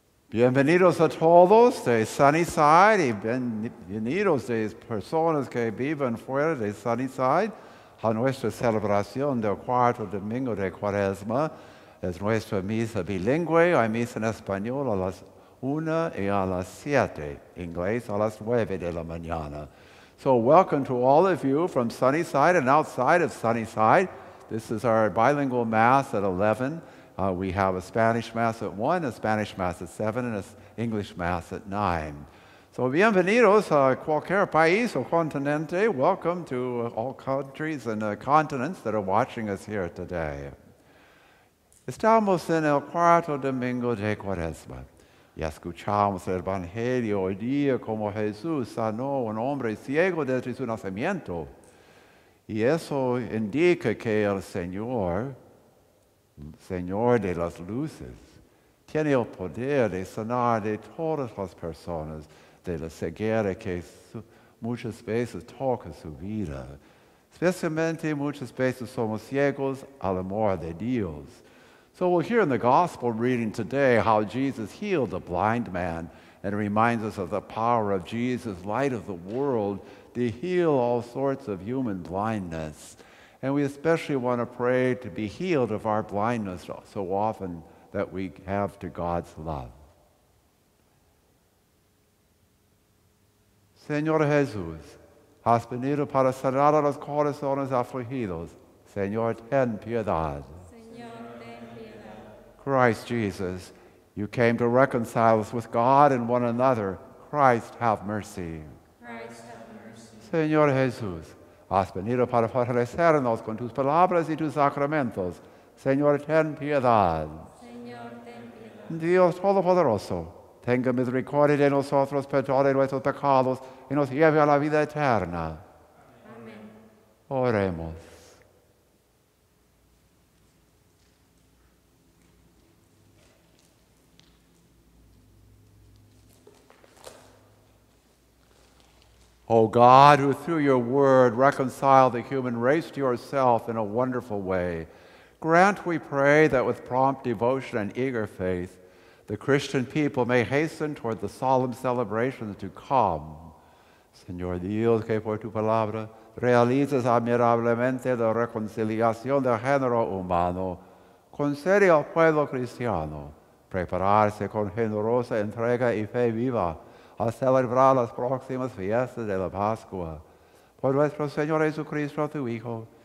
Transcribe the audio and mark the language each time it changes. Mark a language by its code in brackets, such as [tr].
[es] Bienvenidos a todos de Sunnyside, y bienvenidos de personas que viven fuera de Sunnyside, a nuestra celebración del cuarto domingo de Cuaresma. Es nuestra misa bilingüe, hay misa en español a las 1 y a las 7, inglés, a las 9 de la mañana. [en] So welcome to all of you from Sunnyside and outside of Sunnyside. This is our bilingual Mass at 11. We have a Spanish Mass at 1, a Spanish Mass at 7, and an English Mass at 9. [es] So bienvenidos a cualquier país o continente. [en] Welcome to all countries and continents that are watching us here today. [es] Estamos en el cuarto domingo de Cuaresma. Y escuchamos el Evangelio hoy día como Jesús sanó un hombre ciego desde su nacimiento. Y eso indica que el Señor, Señor de las luces, tiene el poder de sanar de todas las personas de la ceguera que muchas veces toca su vida. Especialmente muchas veces somos ciegos al amor de Dios. [en] So we'll hear in the gospel reading today how Jesus healed a blind man and reminds us of the power of Jesus, light of the world, to heal all sorts of human blindness. And we especially want to pray to be healed of our blindness so often that we have to God's love. [es] Señor Jesús, has venido para sanar a los corazones afligidos. Señor, ten piedad. [en] Christ Jesus, you came to reconcile us with God and one another. Christ, have mercy. Christ, have mercy. [es] Señor Jesús, has venido para fortalecernos con tus palabras y tus sacramentos. Señor, ten piedad. Señor, ten piedad. Dios Todopoderoso, tenga misericordia de nosotros, perdone nuestros pecados y nos lleve a la vida eterna. Amén. Oremos. [en] O God, who through your word reconciled the human race to yourself in a wonderful way, grant, we pray, that with prompt devotion and eager faith, the Christian people may hasten toward the solemn celebrations to come. [es] Señor Dios, que por tu palabra realizas admirablemente la reconciliación del género humano, concede al pueblo cristiano prepararse con generosa entrega y fe viva a celebrar las próximas fiestas de la Pascua. Por nuestro Señor Jesucristo, tu Hijo,